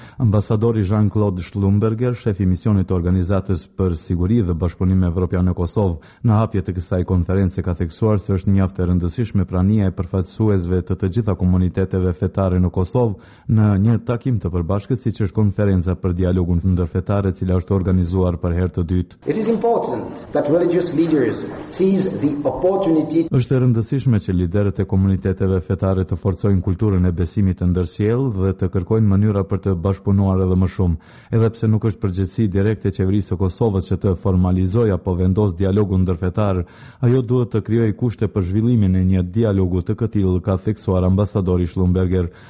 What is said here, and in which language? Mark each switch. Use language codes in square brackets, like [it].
[sq] Ambasadori Jean-Claude Schlumberger, shefi misionit të organizatës për siguri dhe bashkëpunim evropian në Kosovë, në hapje të kësaj konference ka theksuar se është mjaft e rëndësishme prania e përfaqësuesve të gjitha komuniteteve fetare në Kosovë në një takim të përbashkët siç është konferenca për dialogun ndërfetar e cila është organizuar për herë të dytë. [en] It is important that religious leaders seize the opportunity. [sq] Është e rëndësishme që liderët e komuniteteve fetare të forcojnë kulturën e besimit të ndërsjell dhe të kërkojnë mënyra për të bashkëpunuar edhe më shumë, edhe pse nuk është përgjegjësi direkte e qeverisë së Kosovës që të formalizojë apo vendosë dialogun ndërfetar, ajo duhet të krijojë kushte për zhvillimin e një dialogu të këtill, ka thënë suar ambasadori Schlumberger.